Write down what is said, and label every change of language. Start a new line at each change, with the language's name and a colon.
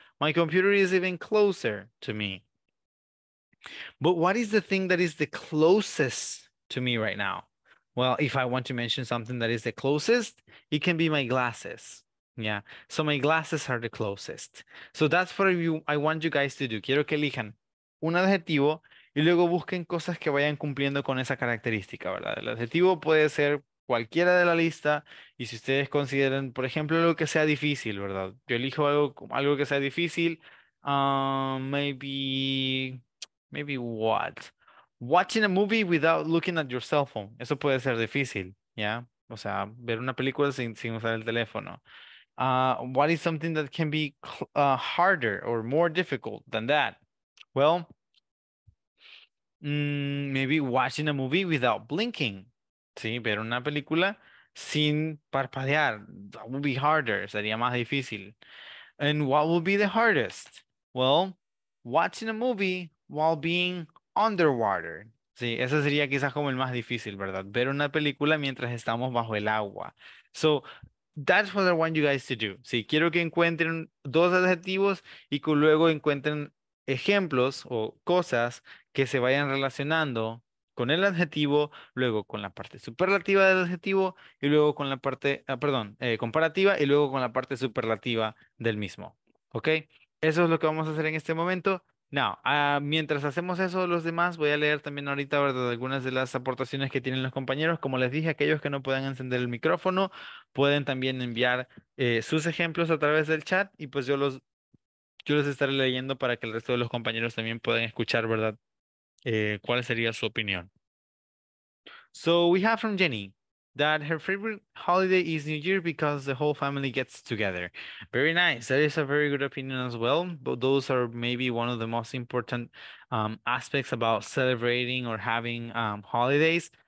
English: My computer is even closer to me. But what is the thing that is the closest to me right now? Well, if I want to mention something that is the closest, it can be my glasses, yeah? So my glasses are the closest. So that's what I want you guys to do.
Spanish: Quiero que elijan un adjetivo y luego busquen cosas que vayan cumpliendo con esa característica, ¿verdad? El adjetivo puede ser cualquiera de la lista. Y si ustedes consideran, por ejemplo, algo que sea difícil, ¿verdad? Yo elijo algo que sea difícil.
English: Maybe what? Watching a movie without looking at your cell phone.
Spanish: Eso puede ser difícil, ¿ya?
English: Yeah?
Spanish: O sea, ver una película sin usar el teléfono.
English: What is something that can be harder or more difficult than that? Well, maybe watching a movie without blinking.
Spanish: Sí, ver una película sin parpadear.
English: That would be harder.
Spanish: Sería más difícil.
English: And what would be the hardest? Well, watching a movie while being underwater.
Spanish: Sí, eso sería quizás como el más difícil, ¿verdad? Ver una película mientras estamos bajo el agua.
English: So, that's what I want you guys to do.
Spanish: Sí, quiero que encuentren dos adjetivos y que luego encuentren ejemplos o cosas que se vayan relacionando con el adjetivo, luego con la parte superlativa del adjetivo y luego con la parte, comparativa y luego con la parte superlativa del mismo. ¿Ok? Eso es lo que vamos a hacer en este momento.
English: Now,
Spanish: mientras hacemos eso, los demás, voy a leer también ahorita, ¿verdad?, algunas de las aportaciones que tienen los compañeros. Como les dije, aquellos que no puedan encender el micrófono pueden también enviar sus ejemplos a través del chat y pues yo los estaré leyendo para que el resto de los compañeros también puedan escuchar, ¿verdad? ¿Cuál sería su opinión?
English: So, we have from Jenny that her favorite holiday is New Year because the whole family gets together. Very nice. That is a very good opinion as well. But those are maybe one of the most important aspects about celebrating or having holidays.